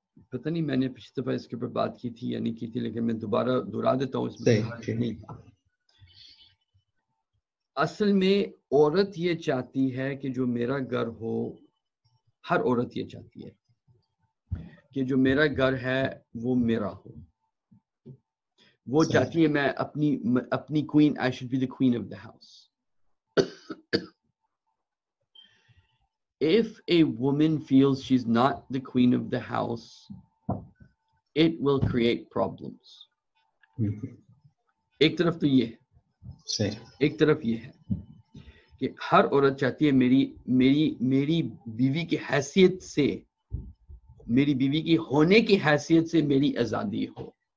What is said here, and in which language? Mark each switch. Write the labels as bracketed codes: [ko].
[ur] پتہ نہیں میں نے پچھلی دفعہ اس کے اوپر بات کی تھی یا نہیں کی تھی, لیکن میں دوبارہ دہرا دیتا ہوں. اس میں اصل میں عورت یہ چاہتی ہے کہ جو میرا گھر ہو, ہر عورت یہ چاہتی ہے کہ جو میرا گھر ہے وہ میرا ہو. وہ چاہتی ہے میں اپنی queen, [en] I should be the queen of the house. If a woman feels she's not the queen of the house, it will create problems. [ur] ایک طرف تو یہ ہے, ایک طرف یہ ہے کہ ہر عورت چاہتی ہے میری میری میری بیوی کی حیثیت سے, میری بیوی کی ہونے کی حیثیت سے میری آزادی ہو.